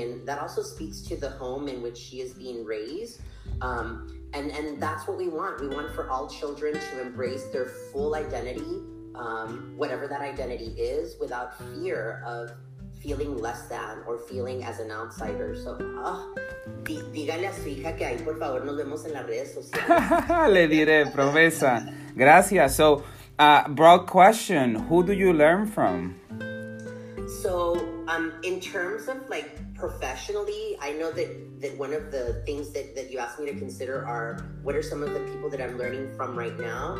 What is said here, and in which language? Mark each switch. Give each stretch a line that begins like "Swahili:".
English: And that also speaks to the home in which she is being raised. And that's what we want. We want for all children to embrace their full identity, whatever that identity is, without fear of feeling less than or feeling as an outsider.
Spanish: So, dígale a su hija que ahí por favor nos vemos en las redes sociales. Le diré, promesa. Gracias.
English: So, broad question, who do you learn from? So, in terms of like professionally, I know that one of the things that you asked me to consider are what are some of the people that I'm learning from right now?